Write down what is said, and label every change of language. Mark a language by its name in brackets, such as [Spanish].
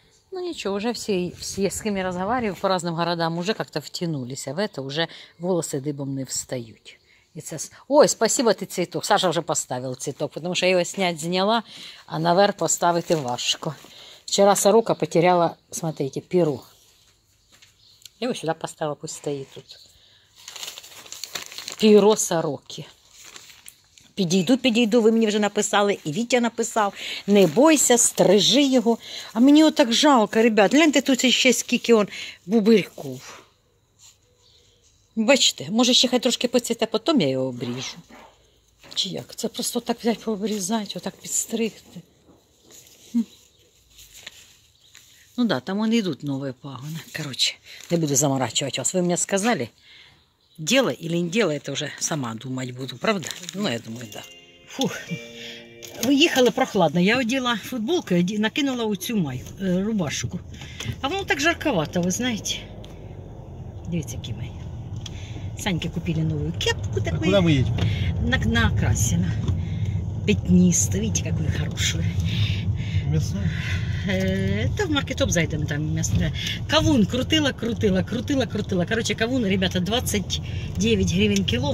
[Russian] Ну ничего, уже все с кем я разговариваю по разным городам, уже как-то втянулись. А в это уже волосы дыбом не встают. Ой, спасибо, ты цветок. Саша уже поставил цветок, потому что я его сняла, а наверх поставить важко. Вчера сорока потеряла, смотрите, перу. Я его сюда поставила, пусть стоит тут. Перо сороки. [Ukrainian] Підійду, підійду, ви мені вже написали, і Вітя написав, [Russian] не бойся, [Ukrainian] стрижи його. А мені отак жалко, ребят, гляньте тут ще скільки он бубирьков. Бачите, може ще хай трошки поцвіте, потім я його обріжу. Чи як? Це просто так взяти, пообрізати, отак підстригти. Ну да, там вони йдуть нові пагони. Коротше, не буду заморачувати вас. Ви мені сказали, діло чи не діло, це вже сама думати буду, правда? Ну я думаю, так. Да. Фух. Виїхали прохладно. Я оділа футболку і накинула оцю рубашку. А воно так жарковато, ви знаєте. Дивіться, який май. [Russian] Саньке купили новую кепку такую. А куда мы едем? На Красина. Пятнистый. Видите, какой хороший. Мясо? Это в маркетоп зайдем там мясо. [Ukrainian] Кавун крутила. [Russian] Короче, кавун, ребята, 29 гривен кило.